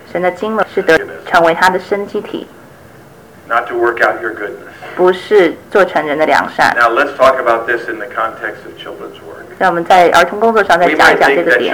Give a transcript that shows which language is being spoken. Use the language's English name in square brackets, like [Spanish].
[Chinese] 神的经纶是得成为他的生机体。 [English] Not to work out your goodness. [Chinese] 不是做成人的良善。 [English] Now let's talk about this in the context of children's work. [Chinese] 那我们在儿童工作上再讲一讲这个点。